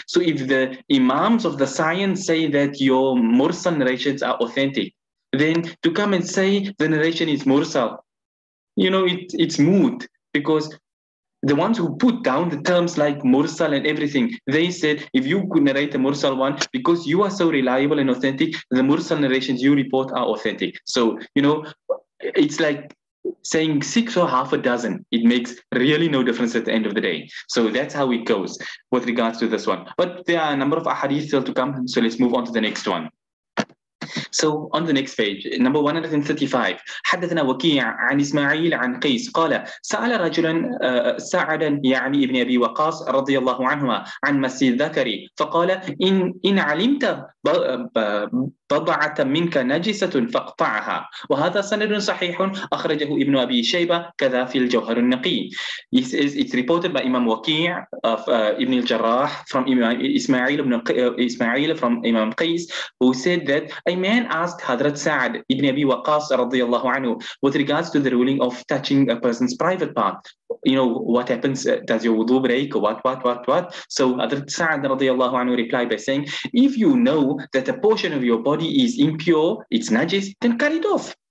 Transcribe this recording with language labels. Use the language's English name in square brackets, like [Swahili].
[English] So if the imams of the science say that your Mursal narrations are authentic, then to come and say the narration is Mursal, you know, it's moot, because the ones who put down the terms like Mursal and everything, they said, if you could narrate a Mursal one, because you are so reliable and authentic, the Mursal narrations you report are authentic. So, you know, it's like saying six or half a dozen, it makes really no difference at the end of the day. So that's how it goes with regards to this one. But there are a number of ahadith still to come, so let's move on to the next one. So on the next page, number 135, [Arabic] حدثنا وكيع عن إسماعيل عن قيس قال سأل رجلا سعدا يعني ابن أبي وقاص رضي الله عنهما عن مس الذكر فقال إن علمت بضعة منك نجسة فاقطعها وهذا سند صحيح أخرجه ابن أبي شيبة كذا في الجوهر النقي. [English] This is, it's reported by Imam وكيع of Ibn al-Jarrah from Ismail from Imam Qais, who said that a man asked Hadrat Sa'ad ibn Abi Waqas radiyallahu anhu with regards to the ruling of touching a person's private part. You know, what happens, does your wudu break, or what? So Hadrat Sa'ad radiyallahu anhu replied by saying, if you know that a portion of your body is impure, it's najis, then cut it off.